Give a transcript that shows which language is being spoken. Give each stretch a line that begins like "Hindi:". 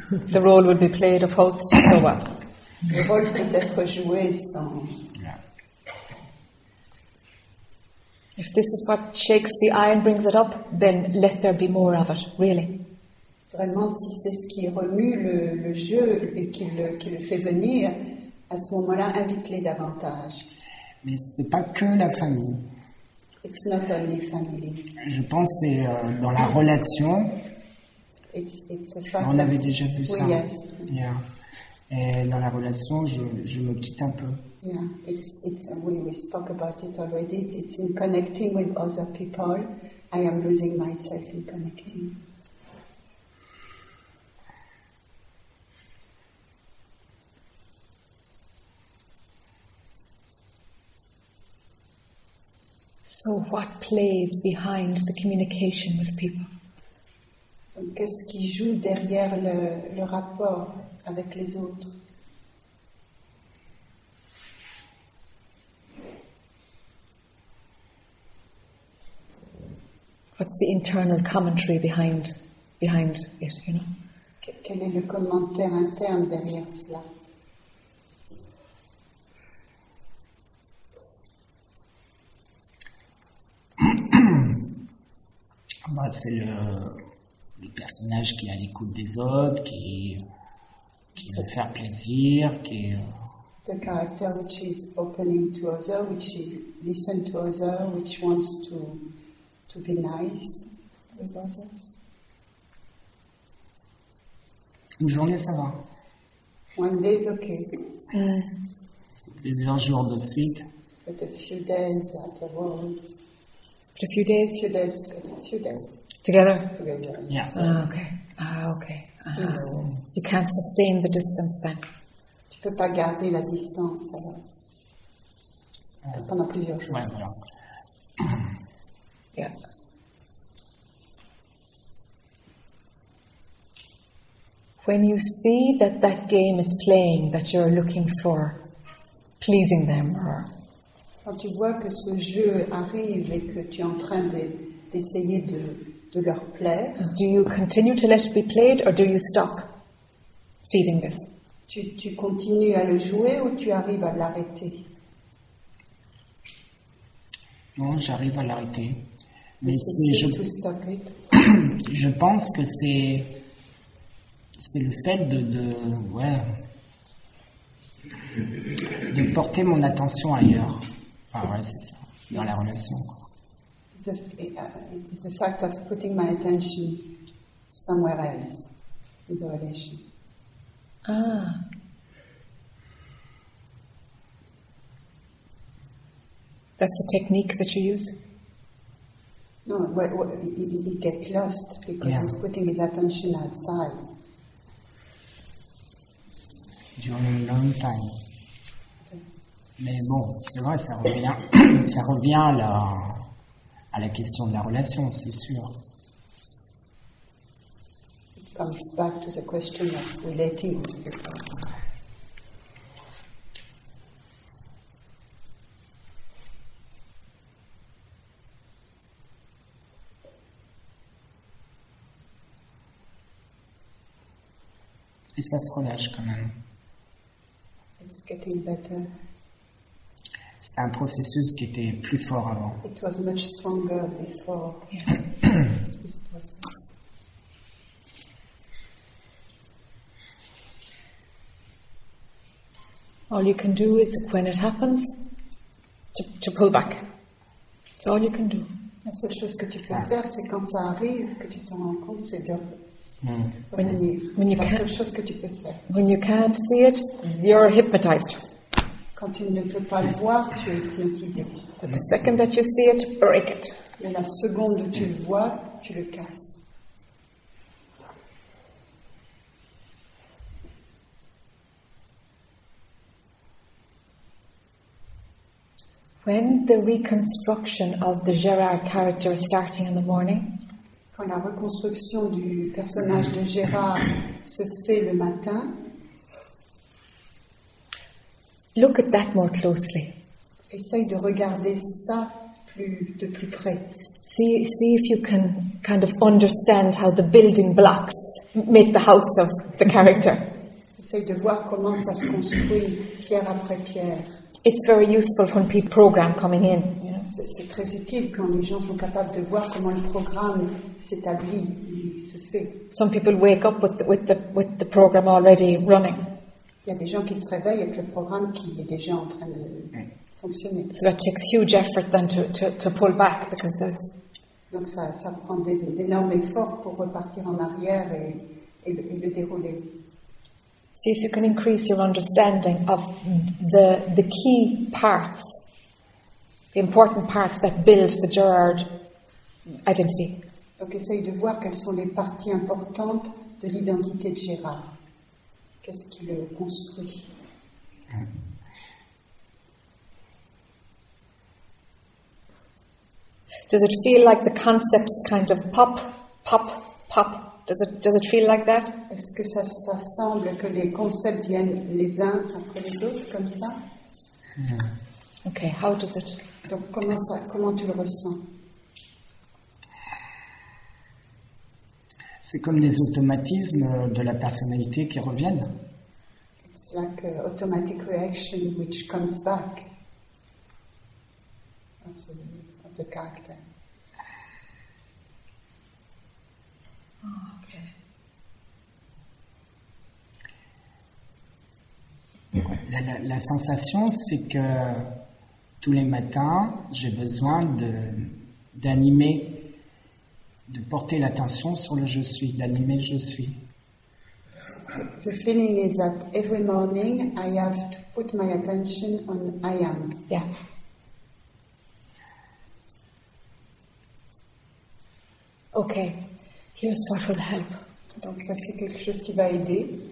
English: The role would be played of host, so what?
French: Le rôle peut être joué sans.
English: If this is what shakes the eye and brings it up, then let there be more of it, really.
French: Vraiment, si c'est ce qui remue le jeu et qui le fait venir, à ce moment-là, invite-les davantage. Mais ce n'est pas que la famille.
English: It's not only family.
French: Je pense que c'est dans la relation.
English: It's a fact.
French: On avait déjà vu ça. Oui,
English: yes. Yeah.
French: Et dans la relation, je me quitte un peu.
English: Yeah, it's we spoke about it already. It's in connecting with other people. I am losing myself in connecting. So what plays behind the communication with people?
French: Donc qu'est-ce qui joue derrière le rapport avec les autres?
English: What's the internal commentary behind it, you know?
French: Quel est le commentaire interne derrière cela? Bah, c'est le personnage qui est à l'écoute des autres, qui veut faire plaisir, qui...
English: The character which is opening to other, which listen to other, which wants to be nice with others.
French: Une journée, ça va.
English: One day is okay.
French: Plusieurs jours de suite.
English: But a few days afterwards. But a few days. Together. Yeah. Okay. You can't sustain the distance then.
French: Tu peux pas garder la distance pendant plusieurs jours. Ouais, voilà.
English: Yeah. When you see that game is playing, that you're looking for pleasing them, or
French: quand tu vois que ce jeu arrive et que tu es en train d'essayer de leur plaire,
English: do you continue to let it be played, or do you stop feeding this?
French: Tu continues à le jouer ou tu arrives à l'arrêter? Non, j'arrive à l'arrêter. Mais c'est si
English: to stop it.
French: Je pense que c'est le fait de porter mon attention ailleurs. Ah ouais, c'est ça, dans la relation.
English: The fact of putting my attention somewhere else in the relation. Ah. That's the technique that you use? No, he gets lost because he's putting his attention outside. During a long time.
French: Mais bon, c'est vrai, ça revient à la question de la relation, c'est sûr.
English: It comes back to the question of relating.
French: Et ça se relâche quand même.
English: It's getting better.
French: C'était un processus qui était plus fort avant.
English: It was much stronger before. This process. All you can do is, when it happens, to pull back. That's all you can do.
French: La seule chose que tu peux faire, c'est quand ça arrive, que tu t'en rends compte, c'est de revenir.
English: When you can't see it, you're hypnotized.
French: Quand tu ne peux pas le voir, tu es hypnotisé.
English: But the second that you see it, break it.
French: Mais la seconde où tu le vois, tu le casses.
English: When the reconstruction of the Gérard character is starting in the morning,
French: quand la reconstruction du personnage de Gérard se fait le matin,
English: look at that more closely.
French: Essaye de regarder ça de plus près.
English: See if you can kind of understand how the building blocks make the house of the character.
French: Essaye de voir comment ça se construit pierre après pierre.
English: It's very useful when people program coming in.
French: C'est très utile quand les gens sont capables de voir comment le programme s'établit, se fait.
English: Some people wake up with the program already running.
French: Il y a des gens qui se réveillent avec le programme qui est déjà en train de fonctionner.
English: So that takes huge effort then to pull back because there's.
French: Donc ça prend d'énormes efforts pour repartir en arrière et le dérouler.
English: See if you can increase your understanding of the key parts. The important parts that build the Gerard identity.
French: Donc essaye de voir quelles sont les parties importantes de l'identité de Gérard. Qu'est-ce qui le construit?
English: Does it feel like the concepts kind of pop? Does it feel like that?
French: Est-ce que ça semble que les concepts viennent les uns après les autres comme ça?
English: Yeah. Okay, how does it?
French: Donc comment tu le ressens? C'est comme les automatismes de la personnalité qui reviennent.
English: It's like an automatic reaction which comes back of the character.
French: La sensation, c'est que tous les matins, j'ai besoin d'animer, de porter l'attention sur le je suis, d'animer le je suis.
English: The feeling is that every morning I have to put my attention on I am. Yeah. Okay, here's what will help.
French: Donc, voici quelque chose qui va aider.